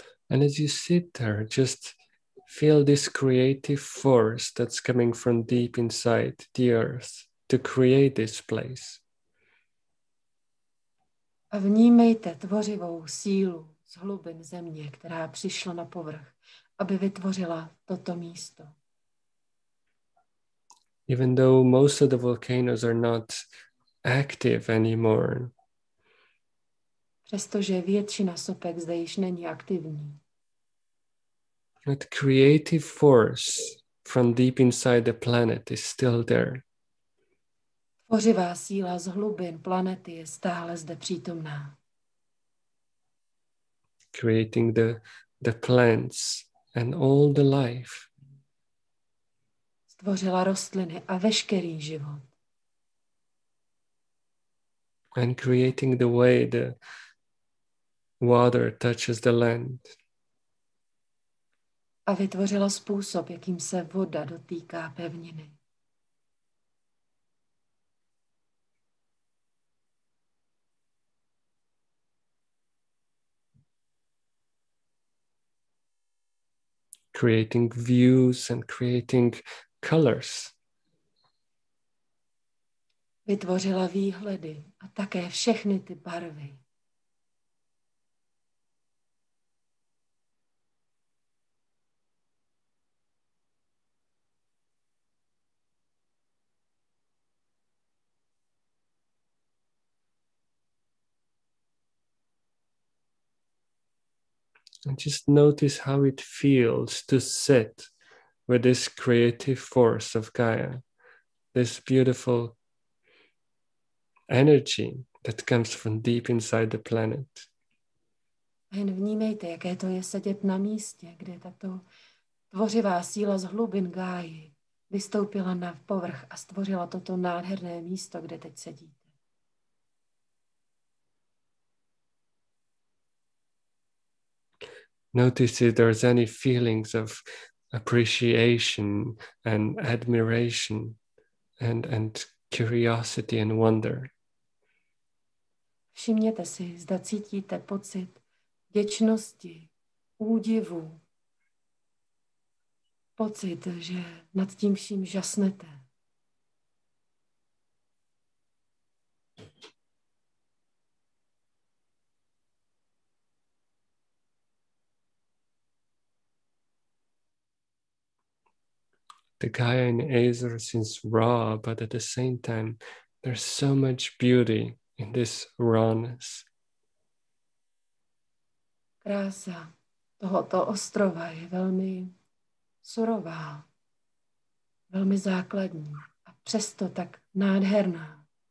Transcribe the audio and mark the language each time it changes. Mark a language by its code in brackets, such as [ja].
[en] And as you sit there, just feel this creative force that's coming from deep inside the earth to create this place. [cs] A vnímejte tvořivou sílu z hlubin země, která přišla na povrch, aby vytvořila toto místo. [en] Even though most of the volcanoes are not active anymore. [cs] Přestože většina sopek zde již není aktivní. [en] That creative force from deep inside the planet is still there. [cs] Tvořivá síla z hlubin planety je stále zde přítomná. [en] Creating the plants and all the life. [cs] Stvořila rostliny a veškerý život. [en] And creating the way the water touches the land. [cs] A vytvořila způsob, jakým se voda dotýká pevniny. [en] Creating views and creating colors. [cs] Vytvořila výhledy a také všechny ty barvy. [en] And just notice how it feels to sit with this creative force of Gaia, this beautiful energy that comes from deep inside the planet. [cs] Jen vnímejte, jaké to je sedět na místě, kde tato tvořivá síla z hlubin Gáji vystoupila na povrch a stvořila toto nádherné místo, kde teď sedíte. [en] Notice if there's any feelings of appreciation and admiration and curiosity and wonder. [cs] Všimněte si, zda cítíte pocit vděčnosti, údivu, pocit, že nad tím vším žasnete. [en] The Gaia in Azure seems raw, but at the same time, there's so much beauty in this rawness. [cs] Krása tohoto ostrova je velmi surová, velmi základní a přesto tak nádherná.